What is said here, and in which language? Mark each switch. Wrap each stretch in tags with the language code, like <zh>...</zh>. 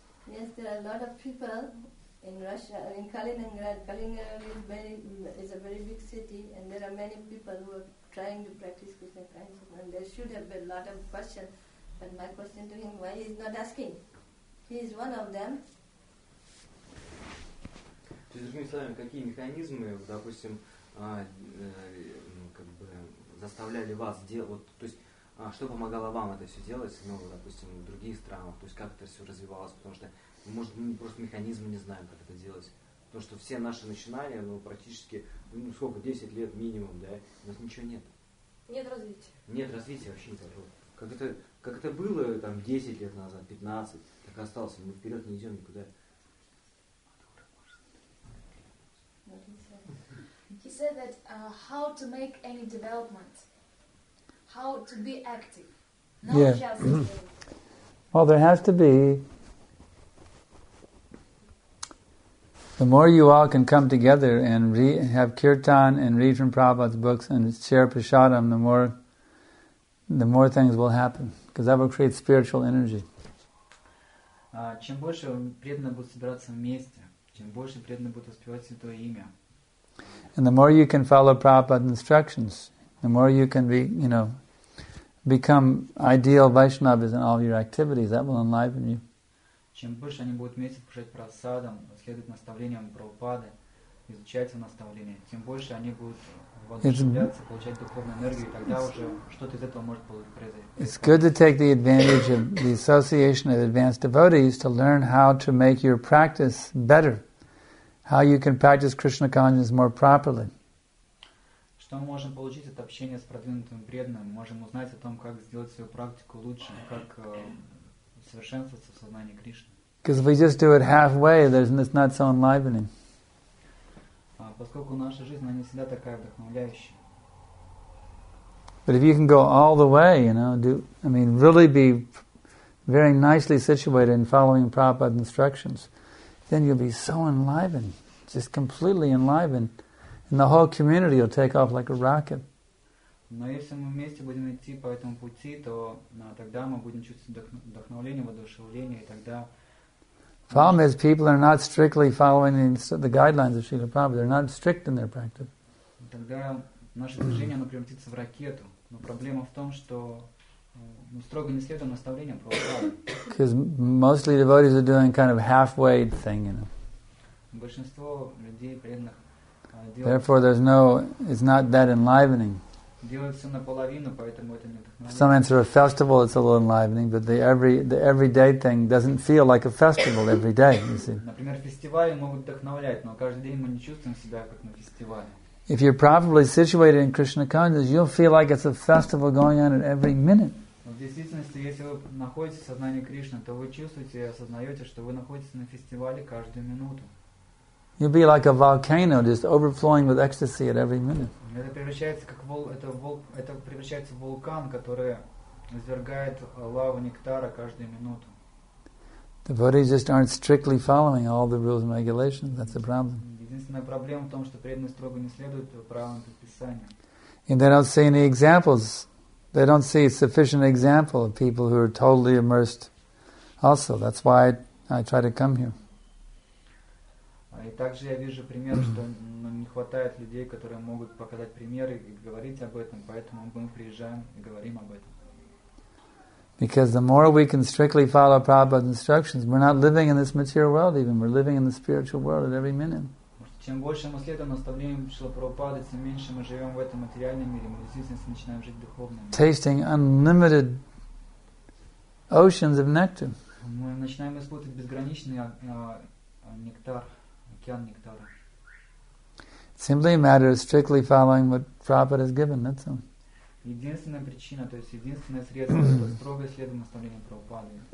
<en>Yes, there are a lot of people in Russia, in Kaliningrad. Kaliningrad is a very big city, and there are many people who are trying to practice Krishna consciousness, and there should have been a lot of questions. But my question to him, why he is not asking? He is one of them.</en> <ru>То есть, другими словами, какие механизмы, допустим, как бы заставляли вас делать, вот, то есть, что помогало вам это все делать, ну, допустим, в других странах, то есть, как это все развивалось, потому что, может, мы просто механизмы не знаем, как это делать. Потому что все наши начинания, ну, практически, ну, сколько, 10 лет минимум, да, у нас ничего нет. Нет развития. Нет развития вообще никакого. Как это было там 10 лет назад, 15, так остался, мы вперед не идем никуда.</ru> <en>He said that how to make any development, how to be active, not yeah. just Well, there has to be. The more you all can come together and have kirtan and read from Prabhupada's books and share prasadam, the more things will happen. Because that will create spiritual energy.</en> <ru>Чем больше преданно будут собираться вместе, чем больше преданно будут воспевать Святое Имя.</ru> <en>And the more you can follow Prabhupada's instructions, the more you can be, you know, become ideal Vaishnavas in all your activities, that will enliven you.</en> <ru>Чем больше они будут вместе кушать прасадам, следовать наставлениям Прабхупады, изучать его наставления, тем больше они будут воодушевляться, получать духовную энергию, и тогда уже что-то из этого может произойти.</ru> <en>It's good to take the advantage of the association of advanced devotees to learn how to make your practice better. How you can practice Krishna consciousness more properly.</en> <ru>Что мы можем получить от общения с продвинутым преданным? Можем узнать о том, как сделать свою практику лучше, как совершенствоваться в сознании Кришны.</ru> <en>Because if we just do it halfway, it's not so enlivening.</en> <ru>Поскольку наша жизнь, она не всегда такая вдохновляющая.</ru> <en>But if you can go all the way, you know, really be very nicely situated in following Prabhupada's instructions, then you'll be so enlivened, just completely enlivened, and the whole community will take off like a rocket.</en> <ru>Но если мы вместе будем идти по этому пути, то тогда мы будем чувствовать вдохновление, воодушевление, и тогда...</ru> <en>Problem is, people are not strictly following the guidelines of Srila Prabhupada. They're not strict in their practice.</en> <ru>Тогда наше движение, оно превратится в ракету. Но проблема в том, что мы строго не следуем наставлениям Прабхупады.</ru> <en>Because mostly devotees are doing kind of halfway thing, you know.</en> <ru>Большинство людей преданных делают...</ru> <en>Therefore, there's no... It's not that enlivening.</en> <ru>Делают все наполовину, поэтому это не так.</ru> <en>В some sense, for a festival, it's a little enlivening, but the everyday thing doesn't feel like a festival every day, you see.</en> <ru>Например, фестивали могут вдохновлять, но каждый день мы не чувствуем себя как на фестивале.</ru> <en>If you're properly situated in Krishna consciousness, you'll feel like it's a festival going on at every minute.</en> <ru>Но в действительности, если вы находитесь в сознании Кришны, то вы чувствуете и осознаете, что вы находитесь на фестивале каждую минуту.</ru> <en>You'll be like a volcano, just overflowing with ecstasy at every minute.</en> <ru>Это превращается как превращается в вулкан, который извергает лаву нектара каждую минуту.</ru> <en>Devotees just aren't strictly following all the rules and regulations. That's the problem.</en> <ru>Единственная проблема в том, что преданные строго не следуют правилам предписания.</ru> <en>And they don't see any examples. They don't see sufficient example of people who are totally immersed. Also, that's why I try to come here.</en> <ru>И также я вижу пример, что не хватает людей, которые могут показать примеры и говорить об этом, поэтому мы приезжаем и говорим об этом.</ru> <en>Because the more we can strictly follow Prabhupada's instructions, we're not living in this material world even, we're living in the spiritual world at every minute.</en> <ru>Чем больше мы следуем наставлениям Шрила Прабхупады, тем меньше мы живем в этом материальном мире. Мы действительно начинаем жить духовно.</ru> <en>Tasting unlimited oceans of nectar.</en> <ru>Мы начинаем испытывать безграничный нектар, океан нектара.</ru> <en>Simply a matter of strictly following what Prabhupada has given. That's all.</en> <ru>Единственная причина, то есть единственное средство, это строгое следование наставлениям Прабхупады.</ru>